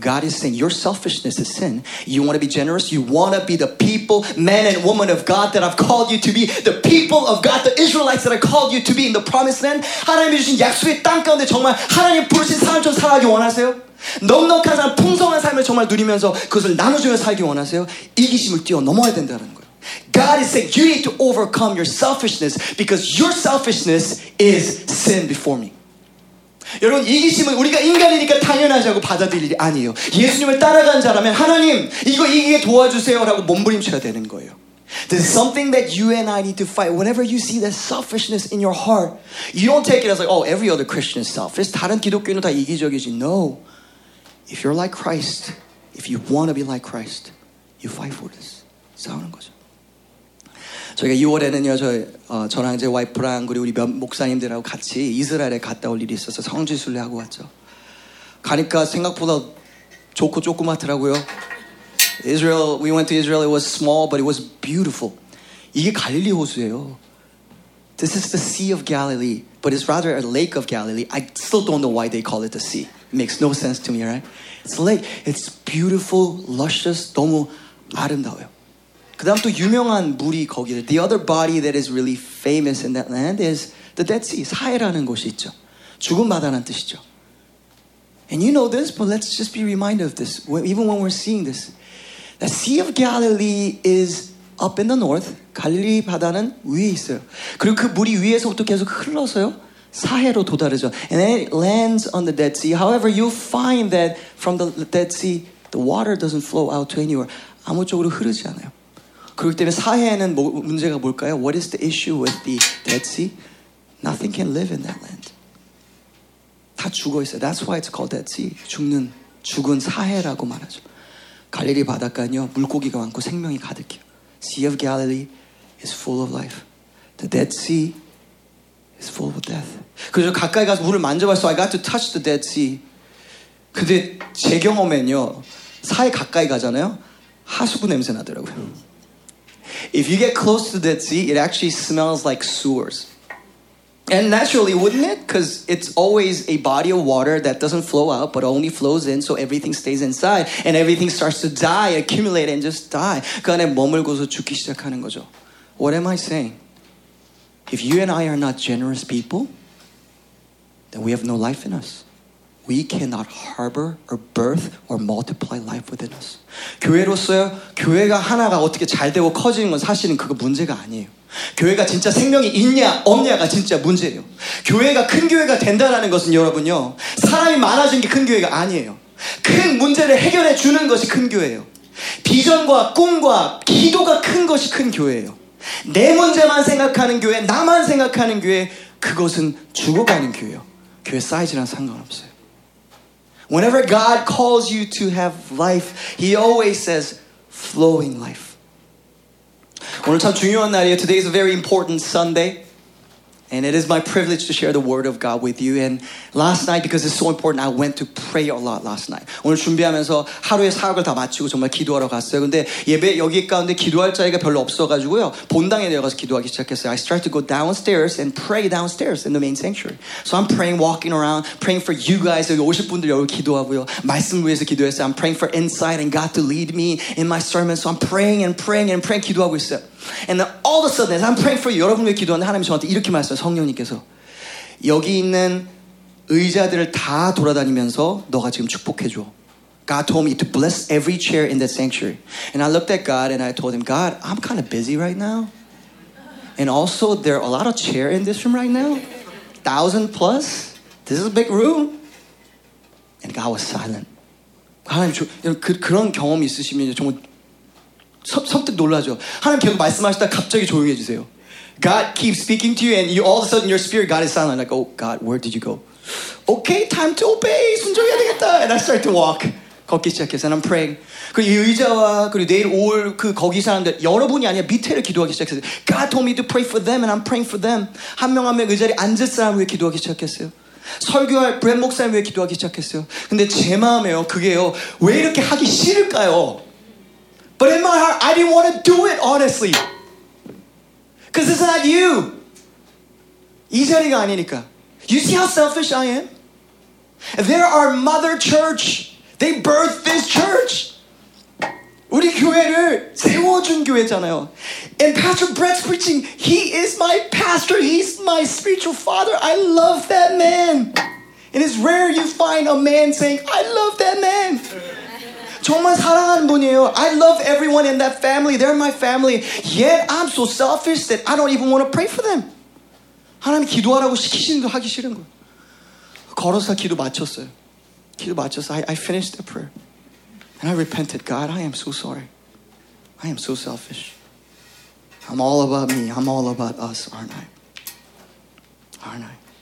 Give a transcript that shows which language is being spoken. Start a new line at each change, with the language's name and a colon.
English: God is saying your selfishness is sin. You want to be generous. You want to be the people, men and women of God that I've called you to be. The people of God, the Israelites that I called you to be in the promised land.
Korean: 하나님이 주신 약속의 땅 가운데 정말 하나님 부르신 사람처럼 살아가기 원하세요? 넉넉한 사람, 풍성한 삶을 정말 누리면서 그것을 나눠주며 살기 원하세요? 이기심을 뛰어넘어야 된다는 거예요.
English: God is saying you need to overcome your selfishness because your selfishness is sin before me.
Korean: 여러분 이기심은 우리가 인간이니까 당연하자고 받아들일 일이 아니에요. 예수님을 따라간 자라면 하나님 이거 이기게 도와주세요 라고 몸부림쳐야 되는 거예요.
English: This is something that you and I need to fight. Whenever you see that selfishness in your heart, you don't take it as like, oh, every other Christian is selfish.
Korean: 다른 기독교인은 다 이기적이지.
English: No. If you're like Christ, if you want to be like Christ, you fight for this.
Korean: 싸우는 거죠. 저희가 6월에는요, 저랑 제 와이프랑 그리고 우리 목사님들하고 같이 이스라엘에 갔다 올 일이 있어서 성지순례하고 왔죠. 가니까 생각보다 좋고 조그맣더라고요.
English: Israel, we went to Israel, it was small, but it was beautiful.
Korean: 이게 갈릴리 호수예요.
English: This is the Sea of Galilee, but it's rather a lake of Galilee. I still don't know why they call it the sea. It makes no sense to me, right? It's a lake. It's beautiful, luscious,
Korean: 너무 아름다워요. 그 다음 또 유명한 물이 거기에
English: The other body that is really famous in that land is the Dead Sea.
Korean: 사해라는 곳이 있죠. 죽은 바다라는 뜻이죠.
English: And you know this, but let's just be reminded of this. Even when we're seeing this. The Sea of Galilee is up in the north.
Korean: 갈릴리 바다는 위에 있어요. 그리고 그 물이 위에서부터 계속 흘러서요. 사해로 도달하죠.
English: And then it lands on the Dead Sea. However, you'll find that from the Dead Sea, the water doesn't flow out to anywhere.
Korean: 아무 쪽으로 흐르지 않아요. 그렇기 때문에 사해에는 문제가 뭘까요?
English: What is the issue with the Dead Sea? Nothing can live in that land.
Korean: 다 죽어 있어요.
English: That's why it's called Dead Sea.
Korean: 죽는, 죽은 사해라고 말하죠. 갈릴리 바닷가는요, 물고기가 많고 생명이 가득해요.
English: Sea of Galilee is full of life. The Dead Sea is full of death.
Korean: 그래서 가까이 가서 물을 만져봤어.
English: I got to touch the Dead Sea.
Korean: 근데 제 경험엔요, 사해 가까이 가잖아요? 하수구 냄새 나더라고요.
English: If you get close to the Dead Sea, it actually smells like sewers. And naturally, wouldn't it? Because it's always a body of water that doesn't flow out, but only flows in, so everything stays inside, and everything starts to die, accumulate, and just die.
Korean: 그 안에 머물고서 죽기 시작하는 거죠.
English: What am I saying? If you and I are not generous people, then we have no life in us. We cannot harbor or birth or multiply life within us.
Korean: 교회로서요, 교회가 하나가 어떻게 잘 되고 커지는 건 사실은 그거 문제가 아니에요. 교회가 진짜 생명이 있냐 없냐가 진짜 문제예요. 교회가 큰 교회가 된다라는 것은 여러분요, 사람이 많아진 게 큰 교회가 아니에요. 큰 문제를 해결해 주는 것이 큰 교회예요. 비전과 꿈과 기도가 큰 것이 큰 교회예요. 내 문제만 생각하는 교회, 나만 생각하는 교회, 그것은 죽어가는 교회예요. 교회 사이즈랑 상관없어요.
English: Whenever God calls you to have life, He always says flowing life.
Korean: 오늘 참 중요한 날이에요.
English: Today is a very important Sunday. And it is my privilege to share the word of God with you. And last night, because it's so important, I went to pray a lot last night.
Korean: 오늘 준비하면서 하루의 사역을 다 마치고 정말 기도하러 갔어요. 근데 예배 여기 가운데 기도할 자리가 별로 없어가지고요. 본당에 내려가서 기도하기 시작했어요.
English: I started to go downstairs and pray downstairs in the main sanctuary. So I'm praying, walking around, praying for you guys.
Korean: 여기 오실 분들 여기 기도하고요. 말씀 위해서 기도했어요.
English: I'm praying for insight and God to lead me in my sermon. So I'm praying and praying and praying
Korean: 기도하고 있어요.
English: And then all of a sudden, as I'm praying for you,
Korean: 여러분께 기도하는데 하나님 저한테 이렇게 말씀하세요. 성령님께서 여기 있는 의자들을 다 돌아다니면서 너가 지금 축복해 줘.
English: God told me to bless every chair in that sanctuary. And I looked at God and I told him, God, I'm kind of busy right now. And also, there are a lot of chairs in this room right now. 1,000+. This is a big room. And God was silent.
Korean: 하나님, 그런 경험 있으시면 정말 섭득 놀라죠. 하나님 계속 말씀하시다 갑자기 조용해 주세요.
English: God keeps speaking to you and you all of a sudden your spirit, God is silent. Like, oh God, where did you go? Okay, time to obey.
Korean: 순종해야 되겠다.
English: And I start to walk.
Korean: 걷기 시작했어요.
English: And I'm praying.
Korean: 그리고 이 의자와 그리고 내일 올 그 거기 사람들 여러분이 아니라 밑에를 기도하기 시작했어요.
English: God told me to pray for them and I'm praying for them.
Korean: 한 명 한 명 의자리 앉을 사람을 위해 기도하기 시작했어요. 설교할 브랜 목사님을 위해 기도하기 시작했어요. 근데 제 마음에요. 그게요. 왜 이렇게 하기 싫을까요?
English: But in my heart, I didn't want to do it, honestly. Because it's not you.
Korean: 이 자리가 아니니까.
English: You see how selfish I am? There are mother church. They birthed this church.
Korean: 우리 교회를 세워준 교회잖아요.
English: And Pastor Brett's preaching. He is my pastor. He's my spiritual father. I love that man. And it's rare you find a man saying, I love that man.
Korean: 정말 사랑하는 분이에요.
English: I love everyone in that family. They're my family. Yet I'm so selfish that I don't even want to pray for them.
Korean: 하나님 기도하라고 시키시는 거 하기 싫은 거. 걸어서 기도 마쳤어요. 기도 마쳤어.
English: I finished the prayer. And I repented. God, I am so sorry. I am so selfish. I'm all about me. I'm all about us, aren't I? Aren't I?